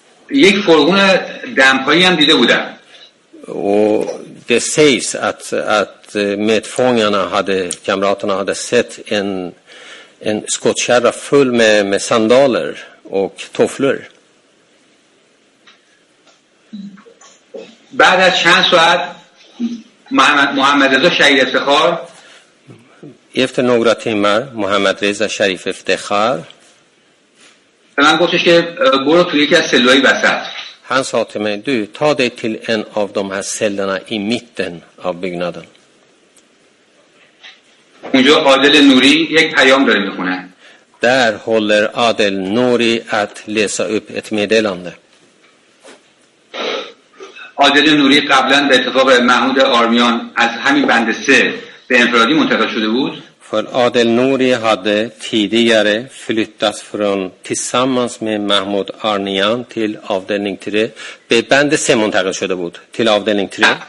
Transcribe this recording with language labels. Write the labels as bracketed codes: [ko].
[fa] یک فرغون دمپایی هم دیده بودم. [sv] و det sägs att medfångarna hade, kamraterna hade sett en skottkärra full med sandaler och tofflor. [fa] بعد از چند ساعت محمد رضا شریف افتخار [sv] efter några timmar Mohammad Reza Sharif Iftekhar [fa] من گفتش که برو توی یکی از سلولای وسط. [sv] Han sa till mig, du ta dig till en av de här cellerna i mitten av byggnaden. [fa] اونجا عادل نوری یک پیام داره میخونه. [sv] Där håller Adel Nouri att läsa upp ett meddelande. [fa] عادل نوری قبلا به اتفاق محمود آرمیان از همین بند 3 به انفرادی منتقل شده بود. [sv] För Adel Nouri hade tidigare flyttats från tillsammans med Mahmoud Arnian till avdelning 3. [fa] Be bande 3 منتقل شده بود [sv] till avdelning 3.